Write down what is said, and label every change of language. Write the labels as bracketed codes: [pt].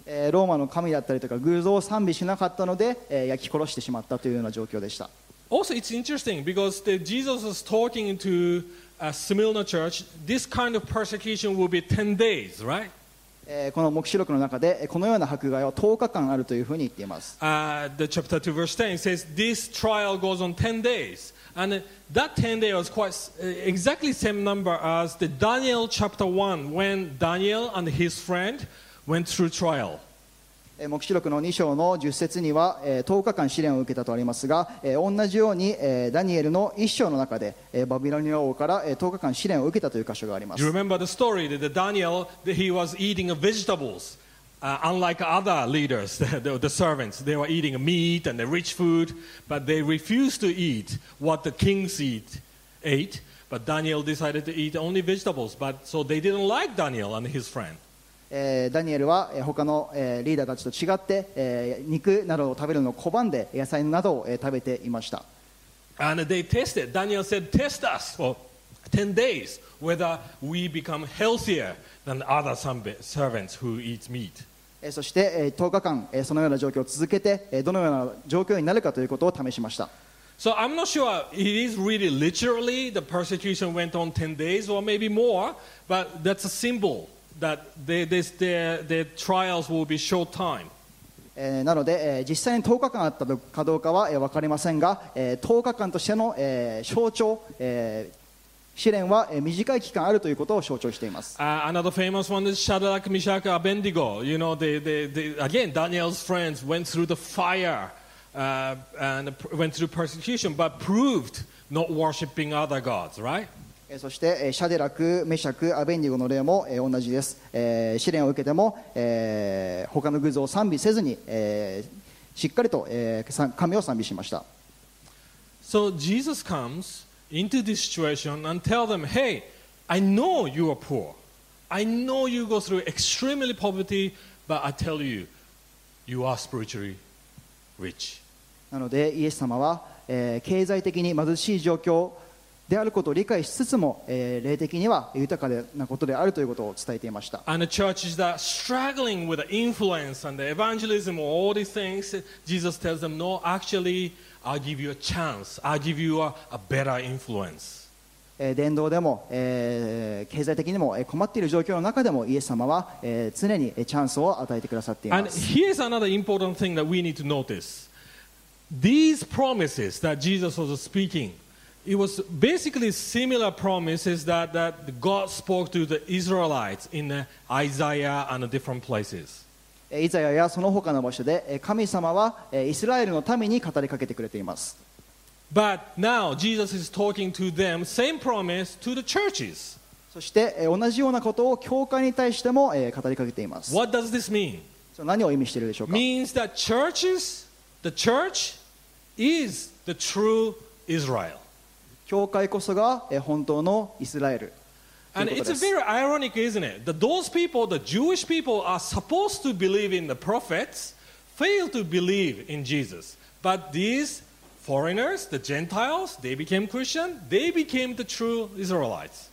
[ja] ローマの神だったりとか偶像を賛美しなかったので焼き殺してしまったというような状況でした。 [en] Also, it's interesting because Jesus was talking to a Smyrna church. This kind of persecution will be 10 days, right? [ja] この黙示録の中でこのような迫害は10日間あるというふうに言っています。 [en] The chapter 2 verse 10 says this trial goes on 10 days. And that 10 days was quite exactly the same number as the Daniel chapter 1 when Daniel and his friend went through trial. [ja] 黙示録の2章の10節には10日間試練を受けたとありますが同じようにダニエルの1章の中でバビロニア王から10日間試練を受けたという箇所があります。 [en] You remember the story that Daniel, that he was eating vegetables, unlike other leaders, the servants, they were eating meat and the rich food, but they refused to eat what the kings ate, but Daniel decided to eat only vegetables, but so they didn't like Daniel and his friend. [ja] ダニエルは他のリーダーたちと違って肉などを食べるのを拒んで野菜などを食べていました。 [en] And they tested, Daniel said, test us for 10 days whether we become healthier than other servants who eat meat. [ja] そして10日間そのような状況を続けてどのような状況になるかということを試しました。 [en] So I'm not sure it is really literally the persecution went on 10 days or maybe more, but that's a symbolthat their trials will be short time. [ja] なので実際に10日間あったかどうかは分かりませんが10日間としての象徴試練は短い期間あるということを象徴しています。 [en] Another famous one is Shadrach, Meshach, Abednego. You know, again, Daniel's friends went through the fire and went through persecution but proved not worshipping other gods, right? [ja] そしてシャデラク、メシャク、アベンディゴの例も同じです。試練を受けても他の偶像を賛美せずにしっかりと神を賛美しました。 [en] So Jesus comes into this situation and tell them, Hey, I know you are poor. I know you go through extremely poverty, but I tell you, you are spiritually rich. [ja] なのでイエス様は経済的に貧しい状況であることを理解しつつも霊的には豊かなことであるということを伝えていました。 [en] And the churches that are struggling with the influence and the evangelism or all these things, Jesus tells them, No, actually, I'll give you a chance. I'll give you a better influence. [ja] 伝道でも経済的にも困っている状況の中でもイエス様は常にチャンスを与えてくださっています。 [en] And here's another important thing that we need to notice. These promises that Jesus was speakingIt was basically similar promises that God spoke to the Israelites in Isaiah and different places. [ja] イザヤやその他の場所で神様はイスラエルの民に語りかけてくれています。 [en] But now Jesus is talking to them, same promise to the churches. [ja] そして同じようなことを教会に対しても語りかけています。 [en] What does this mean? means that churches, the church is the true Israel. [ja] 教会こそが本当のイスラエル。 [en] And it's very ironic, isn't it? That those people, the Jewish people, are supposed to believe in the prophets, fail to believe in Jesus. But these foreigners, the Gentiles, they became Christian, they became the true Israelites.